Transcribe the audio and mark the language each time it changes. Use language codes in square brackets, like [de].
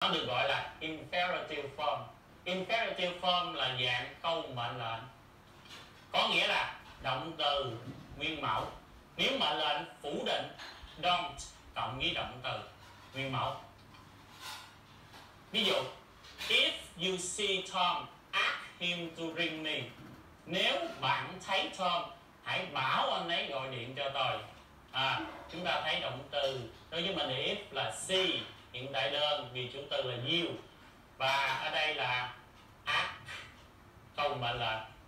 [vi] Nó được gọi là imperative form. Imperative form là dạng câu mệnh lệnh, có nghĩa là động từ nguyên mẫu. Nếu mệnh lệnh phủ định, don't cộng với động từ nguyên mẫu. Ví dụ, [en] if you see Tom, ask him to ring me. [vi] Nếu bạn thấy Tom, hãy bảo anh ấy gọi điện cho tôi. À, chúng ta thấy động từ đối với mình if là see, hiện tại đơn vì chủ từ là you, và ở đây là ask, câu mệnh lệnh.